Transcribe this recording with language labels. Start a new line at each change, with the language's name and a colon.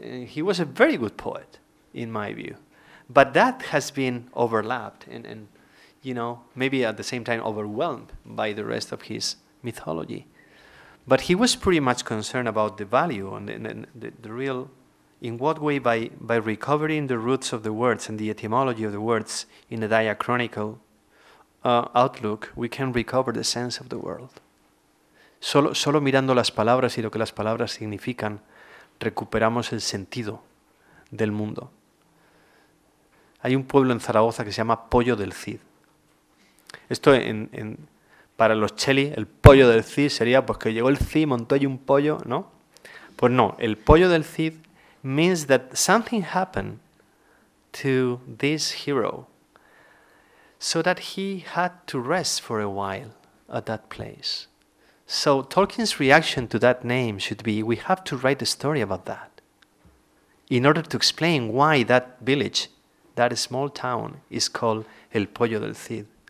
English: And he was a very good poet, in my view. But that has been overlapped and you know, maybe at the same time overwhelmed by the rest of his mythology. But he was pretty much concerned about the value and the real, in what way by recovering the roots of the words and the etymology of the words in a diachronical outlook, we can recover the sense of the world.
Spanish: Solo mirando las palabras y lo que las palabras significan, recuperamos el sentido del mundo. Hay un pueblo en Zaragoza que se llama Pollo del Cid. Esto en para los Cheli, el Pollo del Cid sería pues que llegó el Cid, montó ahí un pollo, ¿no? Pues no,
English: el Pollo del Cid means that something happened to this hero, so that he had to rest for a while at that place. So Tolkien's reaction to that name should be, we have to write a story about that in order to explain why that village, that small town, is called El Pollo del Cid.